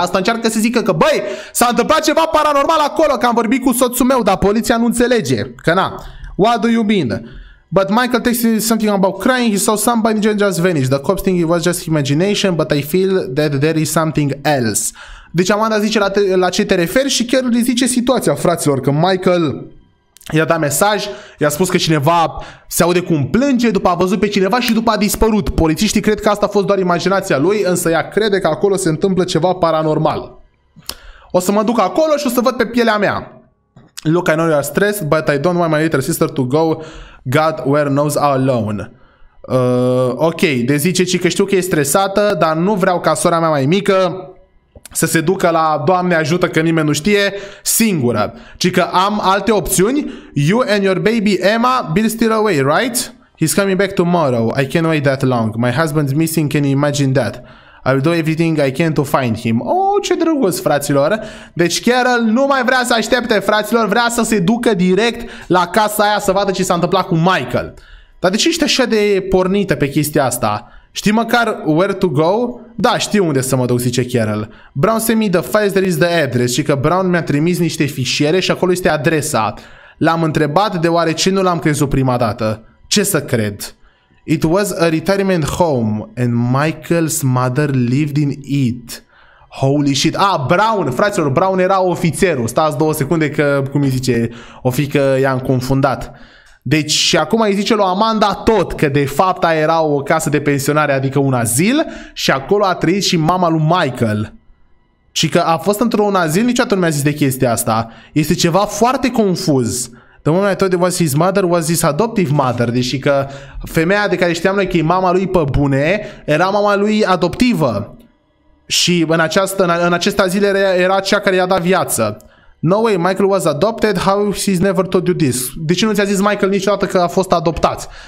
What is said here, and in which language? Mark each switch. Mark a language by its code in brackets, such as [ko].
[ro] Asta încearcă să zică că băi, s-a întâmplat ceva paranormal acolo, că am vorbit cu soțul meu, dar poliția nu înțelege. Că na, [en] what do you mean? But Michael texted something about crying, he saw somebody just vanish. The cops think it was just imagination, but I feel that there is something else. [ro] Deci Amanda zice la ce te referi și chiar îi zice situația, fraților, că Michael i-a dat mesaj, i-a spus că cineva se aude cum plânge, după a văzut pe cineva și după a dispărut. Polițiștii cred că asta a fost doar imaginația lui, însă ea crede că acolo se întâmplă ceva paranormal. O să mă duc acolo și o să văd pe pielea mea. [en] Look, I know you are stressed, but I don't want my little sister to go God where knows alone. [ro] Ok, de zice ci că știu că e stresată, dar nu vreau ca sora mea mai mică să se ducă la Doamne ajută că nimeni nu știe singură, ci că am alte opțiuni. [en] You and your baby Emma been still away, right? He's coming back tomorrow. I can't wait that long. My husband's missing, can you imagine that? I'll do everything I can to find him. Oh, [ro] ce drăguț, fraților. Deci Carol nu mai vrea să aștepte, fraților. Vrea să se ducă direct la casa aia să vadă ce s-a întâmplat cu Michael. Dar de ce ești așa de pornită pe chestia asta? Știi măcar [en] where to go? [ro] Da, știu unde să mă duc, zice Carol. [en] Brown sent me the files, there is the address. [ro] Și că Brown mi-a trimis niște fișiere și acolo este adresa. L-am întrebat deoarece nu l-am crezut prima dată. Ce să cred? [en] It was a retirement home and Michael's mother lived in it. Holy shit. [ro] Ah, Brown, fraților, Brown era ofițerul. Stați două secunde că, cum îi zice, o fi că i-am confundat. Deci și acum îi zice lui Amanda tot că de fapt aia era o casă de pensionare, adică un azil, și acolo a trăit și mama lui Michael. Și că a fost într-un azil, niciodată nu mi-a zis de chestia asta. Este ceva foarte confuz. [en] The woman I told you was his mother was his adoptive mother. [ro] Deși că femeia de care știam noi că e mama lui pe bune era mama lui adoptivă. Și în acest azil era cea care i-a dat viață. [en] No way, Michael was adopted. How he's never told you this? [ro] De ce nu ți-a zis Michael niciodată că a fost adoptat?